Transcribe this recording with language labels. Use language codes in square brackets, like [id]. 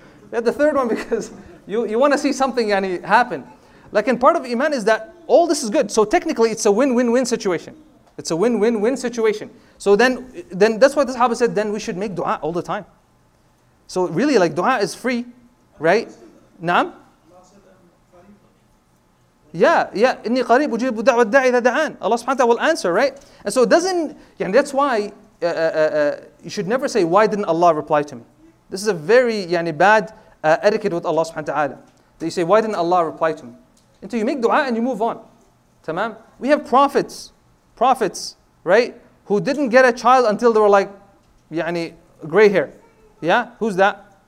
[en] Yeah, the third one, because you want to see something يعني happen. Like, and part of Iman is that all this is good. So technically, it's a win-win-win situation. It's a win-win-win situation. So then that's why the Sahaba said, then we should make dua all the time. So really, like, dua is free, right? Naam? [ar] Yeah, إني قريب أجيب دعوة الداعي إذا دعان. [en] Allah subhanahu wa ta'ala will answer, right? And so it doesn't, يعني that's why you should never say, why didn't Allah reply to me? This is a very يعني bad etiquette with Allah subhanahu wa ta'ala. That you say, why didn't Allah reply to me? Until you make dua and you move on. Tamam? We have prophets, right? Who didn't get a child until they were like, يعني gray hair. Yeah? Who's that?